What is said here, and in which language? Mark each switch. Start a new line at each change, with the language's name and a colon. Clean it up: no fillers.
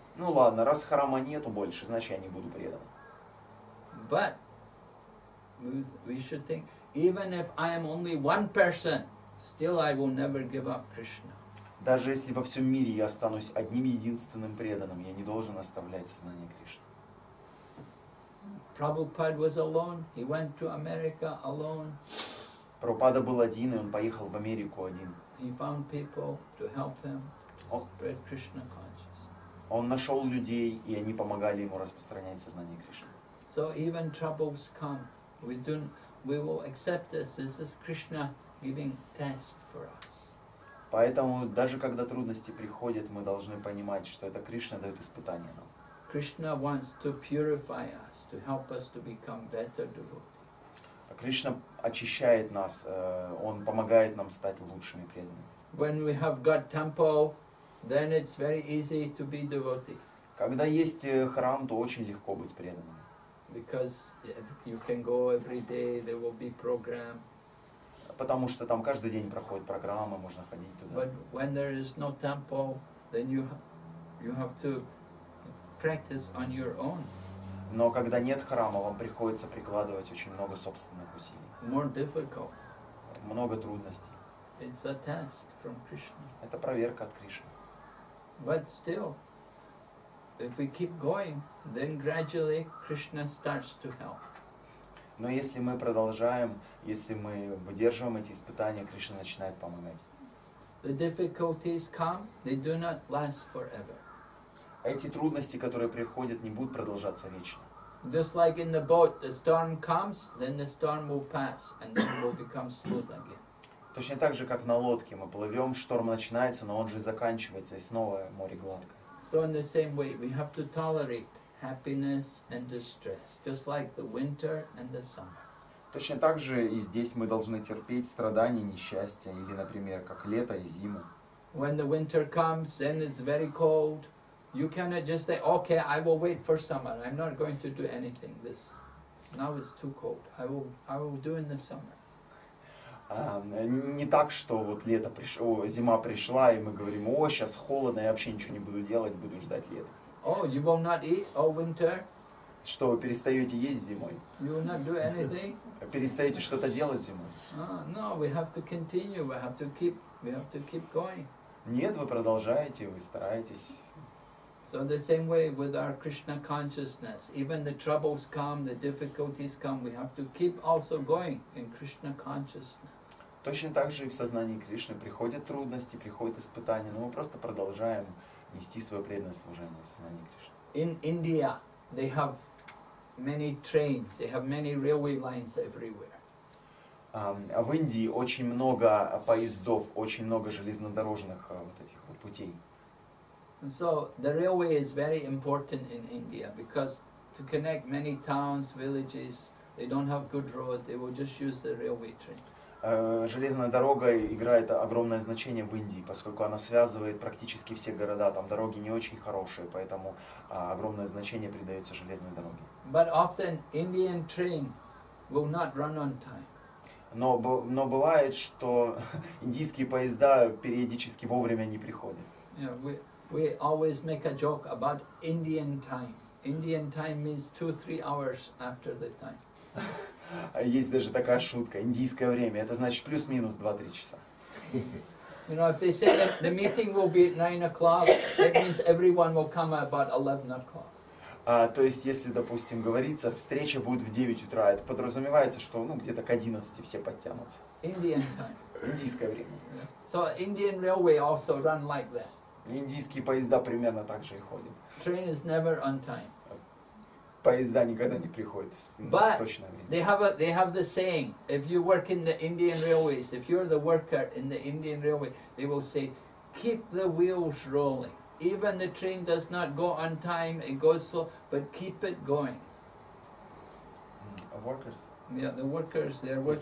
Russian: Ну ладно, раз храма нету больше, значит я не буду предан.
English: But we should think, even if I am only one person, still I will never give up Krishna.
Russian: Даже если во всем мире я останусь одним единственным преданным, я не должен оставлять сознание Кришны.
English: Prabhupada was alone. He went to America alone.
Russian: Прабхупада был один, и он поехал в Америку один.
English: He found people to help him to spread Krishna consciousness.
Russian: Он нашел людей, и они помогали ему распространять сознание Кришны.
English: So even troubles come, we will accept this. This is Krishna giving test for us.
Russian: Поэтому даже когда трудности приходят, мы должны понимать, что это Кришна дает испытание нам.
English: Krishna wants to purify us, to help us to become better devotees.
Russian: Кришна очищает нас, Он помогает нам стать лучшими преданными.
English: When we have got temple, then it's very easy to be devotee.
Russian: Когда есть храм, то очень легко быть преданным.
English: Because you can go every day, there will be program.
Russian: Потому что там каждый день проходит программа, можно ходить туда.
English: But when there is no temple, then you have to practice on your own.
Russian: Но когда нет храма, вам приходится прикладывать очень много собственных усилий.
English: More difficult.
Russian: Много трудностей.
English: It's a test from Krishna.
Russian: Это проверка от Кришны.
English: But still, if we keep going, then gradually Krishna starts to help.
Russian: Но если мы продолжаем, если мы выдерживаем эти испытания, Кришна начинает помогать.
English: The difficulties come, they do not last forever.
Russian: Эти трудности, которые приходят, не будут продолжаться вечно.
English: Just like in the boat, the storm comes, then the storm will pass, and then it will become smooth again.
Russian: Точно так же, как на лодке, мы плывем, шторм начинается, но он же заканчивается, и снова море гладко.
English: So in the same way, we have to tolerate happiness and distress, just like the winter and the summer.
Russian: Точно так же и здесь мы должны терпеть страдания, несчастья, или, например, как лето и зиму.
English: When the winter comes, then it's very cold. You cannot just say, okay, I will wait for summer. I'm not going to do anything. This now it's too cold. I will do in the summer.
Russian: Не так, что вот лето пришло, зима пришла, и мы говорим, о, сейчас холодно, я вообще ничего не буду делать, буду ждать лета.
English: Oh, you will not eat all winter?
Russian: что вы перестаете есть зимой.
English: You will not do anything.
Russian: Перестаете что-то делать зимой.
English: No, we have to continue, we have to keep, we have to keep going.
Russian: Нет, вы продолжаете, вы стараетесь.
English: So the same way with our Krishna consciousness, even the troubles come, the difficulties come, we have to keep also going in Krishna consciousness.
Russian: Точно так же и в сознании Кришны приходят трудности, приходят испытания, но мы просто продолжаем нести свое преданное служение в сознании Кришны.
English: In India, they have many trains, they have many railway lines everywhere.
Russian: В Индии очень много поездов, очень много железнодорожных вот этих вот путей.
English: So the railway is very important in India because to connect many towns, villages, they don't have good road, they will just use the railway train.
Russian: Железная дорога играет огромное значение в Индии, поскольку она связывает практически все города. Там дороги не очень хорошие, поэтому огромное значение придается железной дороге.
English: But often Indian train will not run on time.
Russian: Но бывает, что индийские поезда периодически вовремя не приходят.
English: Yeah, we always make a joke about Indian time. Indian time means 2-3 hours after the time.
Russian: Есть даже такая шутка. Индийское время. Это значит плюс-минус 2-3 часа.
English: You know, if they say that the meeting will be at 9 o'clock, that means everyone will come at about 11 o'clock.
Russian: То есть, если, допустим, говорится, встреча будет в 9 утра, это подразумевается, что ну, где-то к 11 все подтянутся.
English: Indian time.
Russian: Индийское время.
English: So Indian railway also run like that.
Russian: Индийские поезда примерно так же и ходят.
English: Train is never on time.
Russian: Поезда никогда не приходят в точное время.
English: They have the saying, if you work in the Indian railways, if you're the worker in the Indian railway, they will say, keep the wheels rolling. Even the train does not go on time, it goes slow, but keep it going. Workers? Yeah, the workers, they're working.